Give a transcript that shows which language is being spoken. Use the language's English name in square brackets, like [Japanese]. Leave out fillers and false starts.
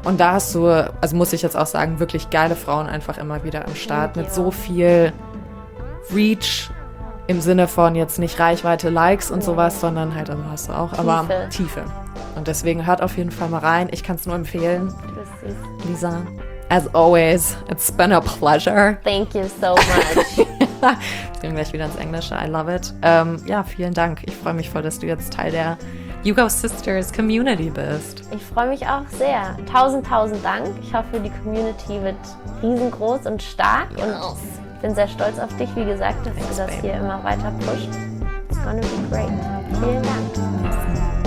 [German] Und da hast du, also muss ich jetzt auch sagen, wirklich geile Frauen einfach immer wieder am Start mit so viel Reach im Sinne von jetzt nicht Reichweite, Likes und sowas, sondern halt, also hast du auch, Tiefe. Aber Tiefe. Und deswegen hört auf jeden Fall mal rein. Ich kann es nur empfehlen. [English] Lisa, as always, it's been a pleasure. Thank you so much. [German] Jetzt gehen wir gleich wieder ins Englische. [English] I love it. [German] Ja, vielen Dank. Ich freue mich voll, dass du jetzt Teil der Yugo Sisters Community bist. Ich freue mich auch sehr. Tausend Dank. Ich hoffe, die Community wird riesengroß und stark. Yes. Und bin sehr stolz auf dich, wie gesagt, dass du das hier immer weiter pusht. [English] It's gonna be great. [German] Vielen Dank.